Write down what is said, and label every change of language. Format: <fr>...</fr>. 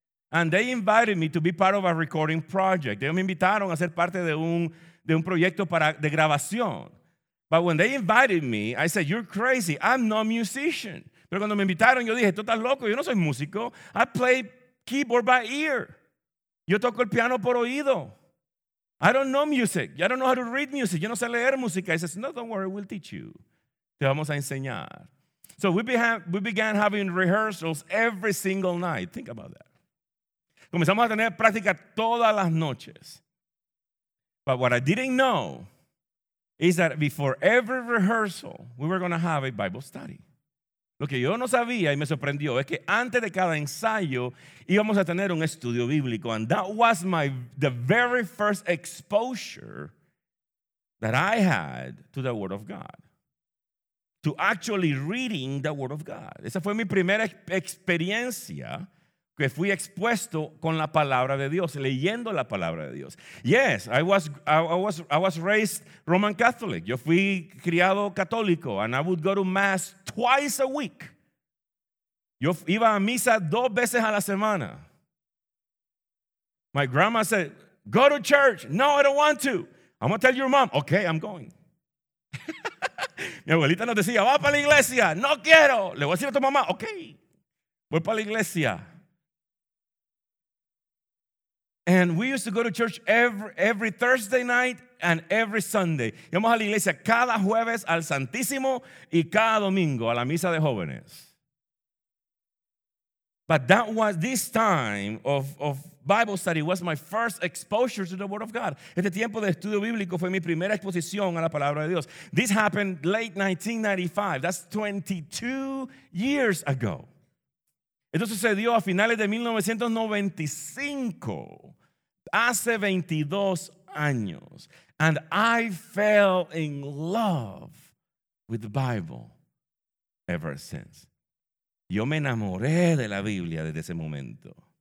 <en>And they invited me to be part of a recording project.</en> <es>Ellos me invitaron a ser parte de un proyecto de grabación.</es> <en>But when they invited me, I said, "You're crazy. I'm not a musician."</en> <es>Pero cuando me invitaron, yo dije, "Tú estás loco. Yo no soy músico.</es> <en>I play keyboard by ear.</en> <es>Yo toco el piano por oído.</es> <en>I don't know music. I don't know how to read music.</en> <es>Yo no sé leer música."</es> <en>He says, "No, don't worry. We'll teach you.</en> <es>Te vamos a enseñar."</es> <en>So we began having rehearsals every single night. Think about that.</en> <es>Comenzamos a tener práctica todas las noches.</es> <en>But what I didn't know is that before every rehearsal, we were going to have a Bible study.</en> <es>Lo que yo no sabía y me sorprendió es que antes de cada ensayo íbamos a tener un estudio bíblico.</es> <en>And that was the very first exposure that I had to the Word of God. To actually reading the Word of God.</en> <es>Esa fue mi primera experiencia que fui expuesto con la palabra de Dios, leyendo la palabra de Dios.</es> <en>Yes, I was raised Roman Catholic.</en> <es>Yo fui criado católico,</es> <en>and I would go to mass twice a week.</en> <es>Yo iba a misa dos veces a la semana.</es> <en>My grandma said, go to church. No, I don't want to. I'm going to tell your mom. Okay, I'm going.</en> <es>Mi abuelita nos decía, va para la iglesia. No quiero. Le voy a decir a tu mamá, okay. Voy para la iglesia.</es> <en>And we used to go to church every Thursday night and every Sunday.</en> <es>Íbamos a la iglesia cada jueves al Santísimo y cada domingo a la misa de jóvenes.</es> <en>But that was this time of Bible study was my first exposure to the Word of God.</en> <es>Este tiempo de estudio bíblico fue mi primera exposición a la palabra de Dios.</es> <en>This happened late 1995. That's 22 years ago.</en> <es>Esto sucedió a finales de 1995, hace 22 años.</es> <en>And I fell in love with the Bible ever since.</en> <es>Yo me enamoré de la Biblia desde ese momento.</es>